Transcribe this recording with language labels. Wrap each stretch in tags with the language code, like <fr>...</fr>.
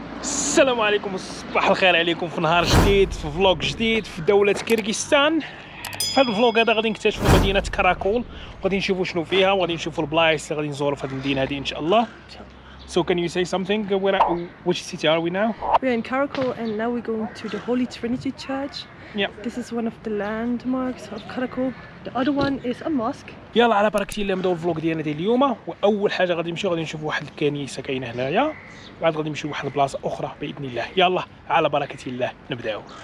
<ar>السلام عليكم، صباح الخير عليكم في نهار جديد، في فلوق جديد في دولة كيرغيزستان. في هذا الفلوق هذا غادي نكتشفوا مدينة كراكول، غادي نشوفوا شنو فيها، وغادي نشوفوا البلايص غادي نزوروا في هذه المدينة هذه ان شاء الله.</ar> <en>So can you say something, which city are we now? We are in Karakol and now we're going to the Holy Trinity Church. Yeah. This is one of the landmarks of Karakol. The other one is a mosque.</en> <ar>يلا على بركة الله نبداو الفلوق ديالنا ديال اليوم. واول حاجة غادي نمشيو غادي نشوفوا واحد الكنيسة كاينة هنايا، وبعد غادي نمشيو لواحد البلاصة أخرى بإذن الله. يلا على بركة الله نبداو.</ar>